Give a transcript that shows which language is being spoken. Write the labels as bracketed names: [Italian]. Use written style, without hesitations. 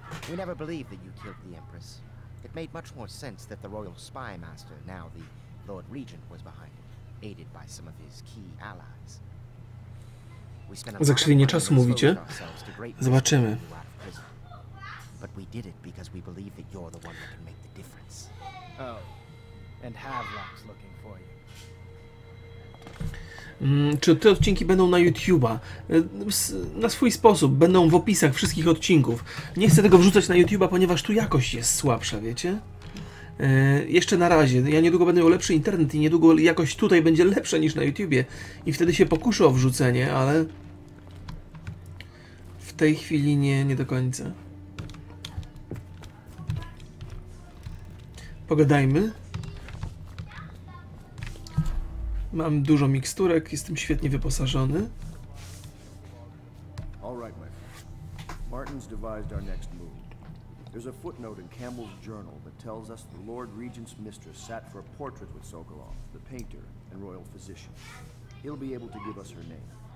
[English] We never believed that you killed the Empress. It made much more sense that the Royal Spymaster, now the Lord Regent, was behind it, aided by some of his key allies. We spent a lot of time exposing ourselves to great risks to get out of prison. But we did it because we believe that you're the one that can make the difference. Oh, and Havelock's looking for you. [Polish] Czy te odcinki będą na YouTube'a? Na swój sposób, będą w opisach wszystkich odcinków. Nie chcę tego wrzucać na YouTube'a, ponieważ tu jakość jest słabsza, wiecie? Jeszcze na razie, ja niedługo będę miał lepszy internet i niedługo jakość tutaj będzie lepsza niż na YouTube'ie. I wtedy się pokuszę o wrzucenie, ale... W tej chwili nie do końca. Pogadajmy. Mam dużo miksturek, jestem świetnie wyposażony. [English] All right, my friend. Martin's devised our next move. There's a footnote in Campbell's journal that tells us the Lord Regent's mistress sat for a portrait with Sokolov, the painter and royal physician. He'll be able to give us her name.